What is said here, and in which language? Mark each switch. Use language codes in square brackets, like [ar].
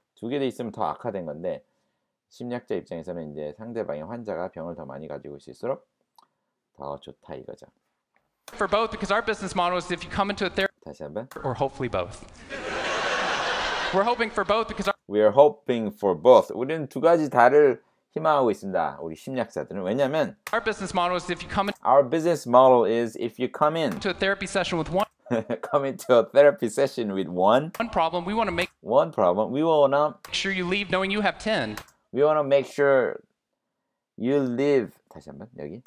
[ko] 두 개 더 있으면 더 악화된 건데 심리학자 입장에서는 이제 상대방의 환자가 병을 더 많이 가지고 있을수록 더 좋다 이거죠. [en] For both because our business model is if you come into a therapy [ko] 다시 한번 [en] or hopefully both. We're hoping for both because we are hoping for both. [ko] 우리는 두 가지 다를 희망하고 있습니다. 우리 심리학자들은 왜냐면 [en] Our business model is if you come in Our business model is if you come in to a therapy session with one come into a therapy session with one one problem we want to make one problem we want to make sure you leave knowing you have 10 we want to make sure you leave [ko] 다시 한번 여기